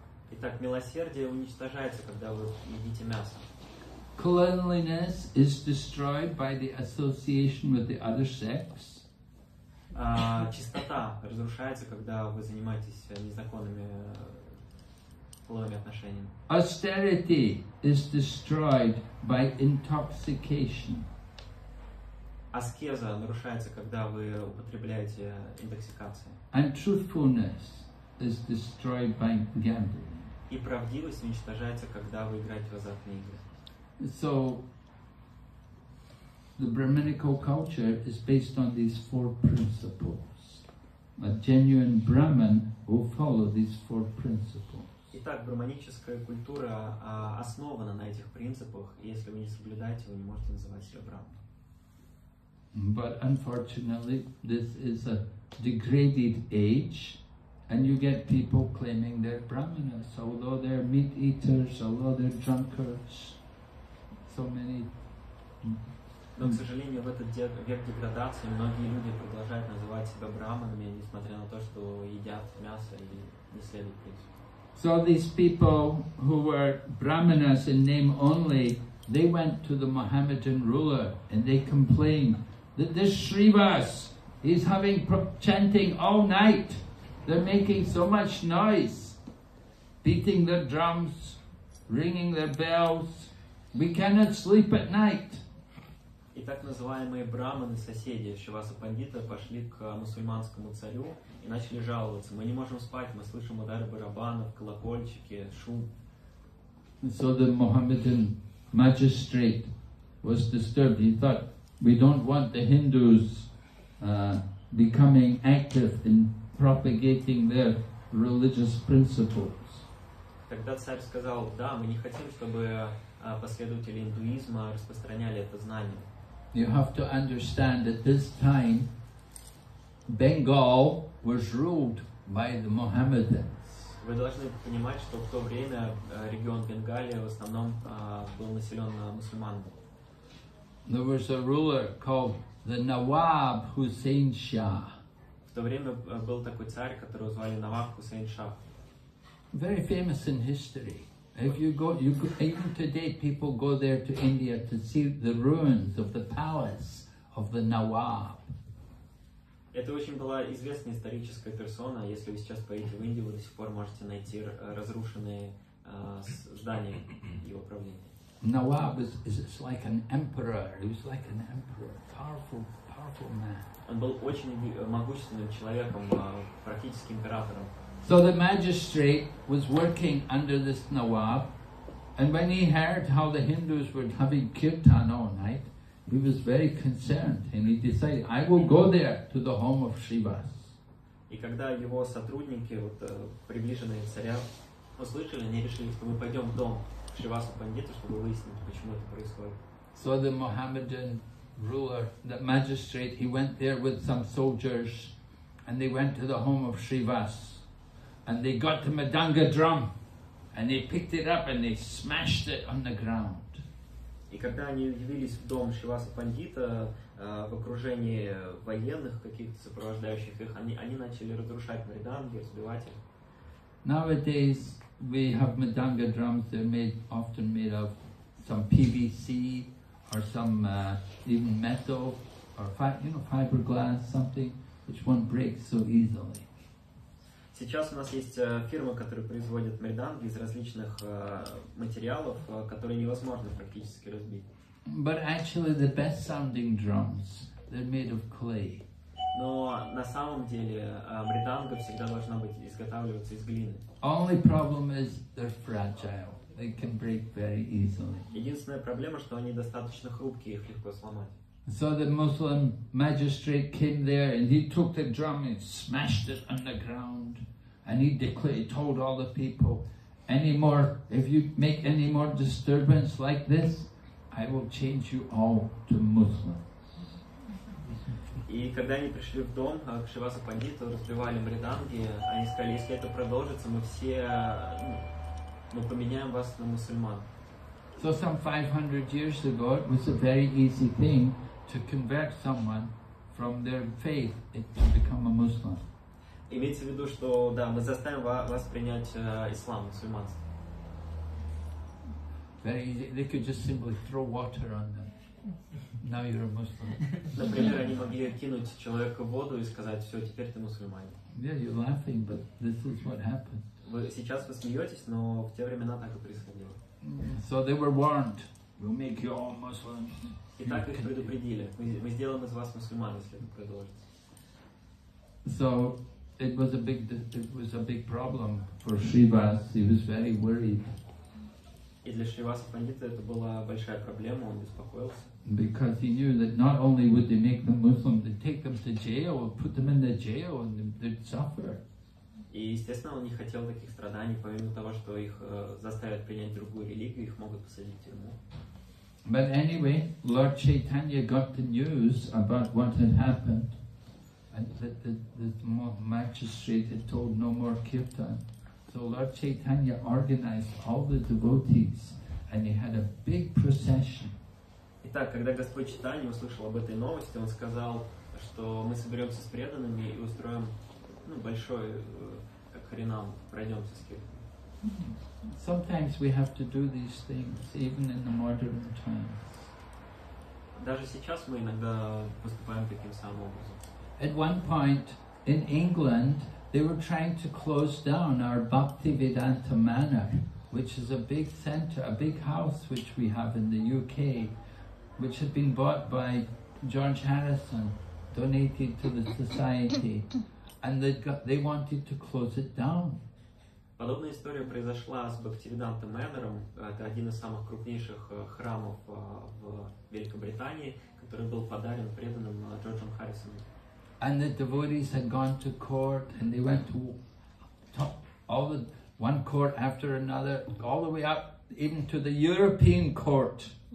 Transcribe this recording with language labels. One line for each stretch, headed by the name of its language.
Russian: Итак, милосердие уничтожается, когда вы едите мясо.
English: Cleanliness is destroyed by the association with the other sex.
Russian: Чистота разрушается, когда вы занимаетесь незаконными половыми отношениями.
English: Austerity is destroyed by intoxication.
Russian: Аскеза нарушается, когда вы употребляете интоксикацию.
English: And truthfulness is destroyed by gambling.
Russian: И правдивость уничтожается, когда вы играете в азартные игры.
English: So the Brahminical culture is based on these four principles. A genuine Brahmin will follow these four principles.
Russian: Итак, брахманическая культура основана на этих принципах. Если вы не соблюдаете, вы не можете называть себя брахманом.
English: But unfortunately, this is a degraded age, and you get people claiming they're brahmanas, although they're meat eaters, although they're drunkards.
Russian: Но, к сожалению, в этот век деградации многие люди продолжают называть себя брахманами, несмотря на то, что едят мясо и не следуют принципам.
English: So these people who were brahmanas in name only, they went to the Mohammedan ruler and they complained that this Srivas is having chanting all night. They're making so much noise, beating their drums, ringing their bells. We cannot sleep at night.
Russian: И так называемые брахманы, соседи Шриваса Пандита, пошли к мусульманскому царю и начали жаловаться. Мы не можем спать, мы слышим удары барабанов, колокольчики, шум.
English: So the Mohammedan magistrate was disturbed. He thought, we don't want the Hindus becoming active in propagating their religious principles.
Russian: Тогда царь сказал, да, мы не хотим, чтобы последователи индуизма распространяли это знание.
English: You have to understand that this time Bengal was ruled by the Mohammedans.
Russian: Вы должны понимать, что в то время регион Бенгалии в основном был населен мусульманами.
English: There was a ruler called the Nawab Hussain Shah.
Russian: В то время был такой царь, которого звали Наваб Хусейн Шах.
English: Very famous in history. If you go, you go, even today, people go there to India to see the ruins of the palace of the Nawab.
Russian: Это очень была известная историческая персона. Если вы сейчас поедете в Индию, вы до сих пор можете найти разрушенные здания его правления.
English: Nawab is like an emperor. He was like an emperor, powerful man.
Russian: Он был очень могущественным человеком, практически императором.
English: So the magistrate was working under this Nawab, and when he heard how the Hindus were having kirtan all night, he was very concerned, and he decided, I will go there to the home of Shivas.
Russian: И когда его сотрудники, вот приближенные царя, услышали, они решили, что мы пойдем в дом Шривасу Пандиту, чтобы выяснить, почему это происходит.
English: So the Mohammedan ruler, the magistrate, he went there with some soldiers, and they went to the home of Shivas. And they got the madanga drum, and they picked it up and they smashed it on the ground.
Russian: И когда они явились в дом Шриваса Пандита в окружении военных каких-то сопровождающих их, они начали разрушать мриданги, разбивать их.
English: Nowadays we have madanga drums. They're often made of some PVC or some even metal or fiberglass, something which won't break so easily.
Russian: Сейчас у нас есть фирмы, которые производят мриданги из различных материалов, которые невозможно практически разбить.
English: But actually the best sounding drums, they're made of clay.
Russian: Но на самом деле мриданга всегда должна быть изготавливаться из глины.
English: Only problem is they're fragile. They can break very easily.
Russian: Единственная проблема, что они достаточно хрупкие, их легко сломать.
English: So the Muslim magistrate came there and he took the drum and smashed it on the ground. And he declared, told all the people, any more, if you make any more disturbance like this, I will change you all to Muslims.
Russian: И когда они пришли в дом к Шиваса Пандиту, разбивали мриданги, они сказали, если это продолжится, мы все, мы поменяем вас на мусульман.
English: So some 500 years ago, it was a very easy thing to convert someone from their faith to become a Muslim.
Russian: Имейте в виду, что да, мы заставим вас принять ислам, мусульманство.
English: Very easy. They could just simply throw water on them. Now you're a Muslim.
Russian: Например, они могли кинуть человека в воду и сказать, все, теперь ты мусульманин.
English: Yeah, you're laughing, but this is what happened.
Russian: Вы сейчас вы смеетесь, но в те времена так и происходило.
English: So they were warned. We'll make you all Muslim.
Russian: И так их предупредили. Мы сделаем из вас мусульман, если это продолжится.
English: So it was a big problem for Shrivas. He was very worried.
Russian: И для Шриваса Пандита это была большая проблема, он беспокоился.
English: Because he knew that not only would they make them Muslim, they'd take them to jail, or put them in the jail, and they'd suffer.
Russian: И естественно, он не хотел таких страданий, помимо того, что их заставят принять другую религию, их могут посадить в тюрьму.
English: But anyway, Lord Chaitanya got the news about what had happened, and that the magistrate had told no more kirtan. So Lord Chaitanya organized all the devotees, and he had a big procession.
Russian: Итак, когда Господь Читания услышал об этой новости, он сказал, что мы соберемся с преданными и устроим большой как харинам, пройдемся с киртаном.
English: Sometimes we have to do these things even in the modern times.
Russian: Даже сейчас мы иногда поступаем таким самым образом.
English: At one point in England, they were trying to close down our Bhaktivedanta Manor, which is a big center, a big house which we have in the UK, which had been bought by George Harrison, donated to the society, and they wanted to close it down.
Russian: Подобная история произошла с Бхактивиданта Мэннером. Это один из самых крупнейших храмов в Великобритании, который был подарен преданным Джорджем Харрисоном.
English: And the devotees had gone to court, and they went to top, all the one court after another, all the way up, even to the European court.